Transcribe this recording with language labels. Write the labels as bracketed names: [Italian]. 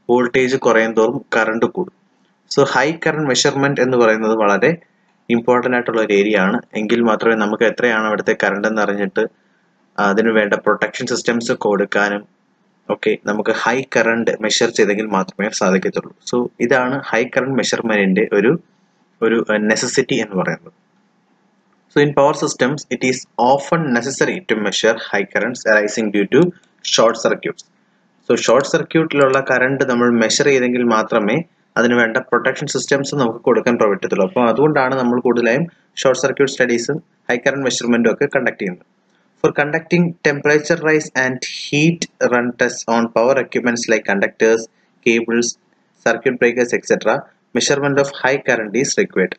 [Malayalam] Voltage കുറയും തോറും current കൂടും. സോ ഹൈ കറന്റ് മെഷർമെന്റ് എന്ന് പറയുന്നത് വളരെ ഇമ്പോർട്ടൻ്റ് ആയിട്ടുള്ള ഒരു ഏരിയ ആണ്. എങ്കിൽ മാത്രമേ നമുക്ക് എത്രയാണ് അവിടുത്തെ കറണ്ട് എന്ന് അറിഞ്ഞിട്ട് അതിന് വേണ്ട പ്രൊട്ടക്ഷൻ സിസ്റ്റംസ് കൊടുക്കാനും ഒക്കെ നമുക്ക് ഹൈ കറന്റ് മെഷർ ചെയ്തെങ്കിൽ മാത്രമേ സാധിക്കത്തുള്ളൂ. സോ ഇതാണ് ഹൈ കറന്റ് മെഷർമെന്റിന്റെ ഒരു ഒരു നെസസിറ്റി എന്ന് പറയുന്നത്. [English] So in power systems, it is often necessary to measure high currents arising due to short circuits. [Malayalam] So short circuit ലുള്ള കറണ്ട് നമ്മൾ മെഷർ ചെയ്തെങ്കിൽ മാത്രമേ അതിന് വേണ്ട പ്രൊട്ടക്ഷൻ സിസ്റ്റംസ് നമുക്ക് കൊടുക്കാൻ പറ്റത്തുള്ളൂ. അപ്പോൾ അതുകൊണ്ടാണ് നമ്മൾ കൂടുതലായും ഷോർട്ട് സർക്യൂട്ട് സ്റ്റഡീസും ഹൈ കറന്റ് മെഷർമെൻറ്റും ഒക്കെ കണ്ടക്ട് ചെയ്യുന്നത്. [English] For conducting temperature rise and heat run test on power equipments like conductors, cables, circuit breakers etcetera, measurement of high current is required.